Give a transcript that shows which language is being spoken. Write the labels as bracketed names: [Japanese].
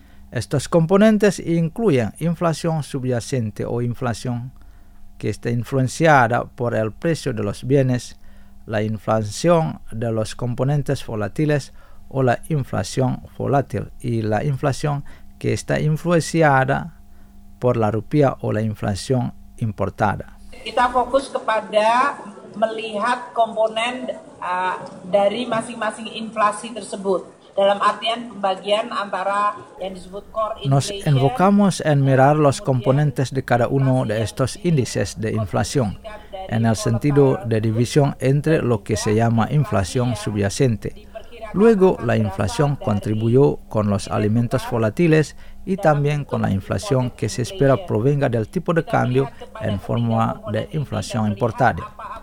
[Spanish] Estos componentes incluyen inflación subyacente o inflación que está influenciada por el precio de los bienes, la inflación de los componentes volátiles o la inflación volátil y la inflación que está influenciada por la rupiah o la inflación importada. [Indonesian] Kita fokus kepada melihat komponen dari masing-masing inflasi tersebut dalam artian pembagian antara yang disebut core inflation. [Spanish] Nos enfocamos en mirar los componentes de cada uno de estos índices de inflación, en el sentido de división entre lo que se llama inflación subyacente. Luego, la inflación contribuyó con los alimentos volátiles y también con la inflación que se espera provenga del tipo de cambio en forma de inflación importada.